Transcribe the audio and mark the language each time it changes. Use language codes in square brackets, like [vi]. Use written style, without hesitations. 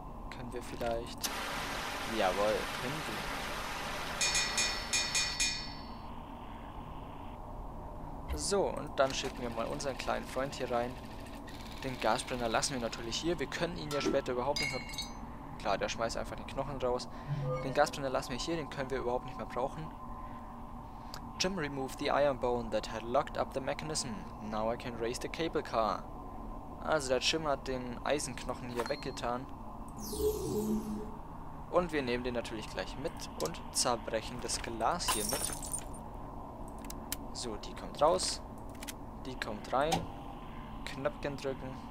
[de] Können wir vielleicht... Jawohl, können wir. So, und dann schicken wir mal unseren kleinen Freund hier rein. Den Gasbrenner lassen wir natürlich hier. Wir können ihn ja später überhaupt nicht mehr... Klar, der schmeißt einfach den Knochen raus. Den Gasbrenner lassen wir hier, den können wir überhaupt nicht mehr brauchen. [en] Jim removed the iron bone that had locked up the mechanism. Now I can raise the cable car. [de] Also der Jim hat den Eisenknochen hier weggetan. Und wir nehmen den natürlich gleich mit und zerbrechen das Glas hier mit. So, die kommt raus. Die kommt rein. Knöpfchen drücken.